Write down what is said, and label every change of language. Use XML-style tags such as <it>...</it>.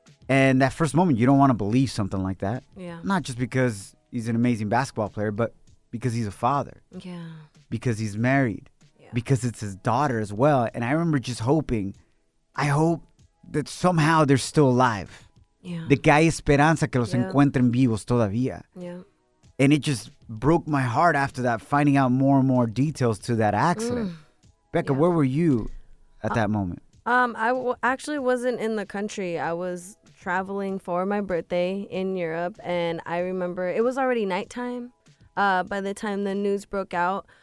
<en>And that first moment, you don't want to believe something like that. Yeah. Not just because he's an amazing basketball player, but because he's a father. Yeah. Because he's married. Yeah. Because it's his daughter as well. And I remember just hoping, I hope that somehow they're still alive. Yeah.</en> <es>De que hay esperanza que los encuentren vivos todavía.</es> <en>Yeah. And it just broke my heart after that, finding out more and more details to that accident. Becca, where were you at that moment? I actually wasn't in the country. I was traveling for my birthday in Europe. And I remember it was already nighttime. By the time the news broke out,</en>